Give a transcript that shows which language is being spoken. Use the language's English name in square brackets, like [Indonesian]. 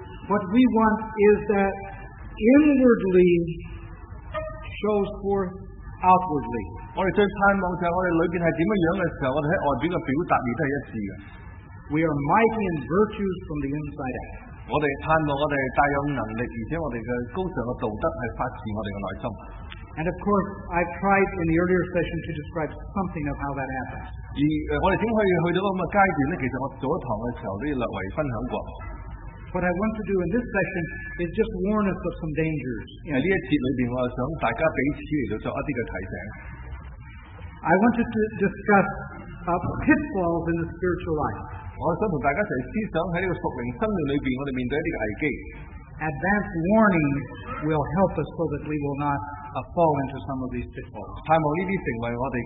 [English] What we want is that inwardly shows forth outwardly. [Cantonese] 我哋最盼望就系我哋里边系点样样嘅时候，我哋喺外边嘅表达亦都系一致嘅。 [English] We are mighty in virtues from the inside out. [Cantonese] 我哋盼望我哋带有能力，而且我哋嘅高尚嘅道德系发自我哋嘅内心。 [English] And of course, I tried in the earlier session to describe something of how that happens. [Cantonese] 而我哋点可以去到咁嘅阶段咧？其实我早一堂嘅时候都略为分享过。 [English] What I want to do in this session is just warn us of some dangers. [Cantonese] 而呢一节里边，我想大家彼此嚟到作一啲嘅提醒。 [English] I want to discuss pitfalls in the spiritual life. [Cantonese] 我想同大家一齐思想喺呢个属灵生命里边，我哋面对一啲嘅危机。 [English] Advanced warning will help us so that we will not fall into some of these pitfalls.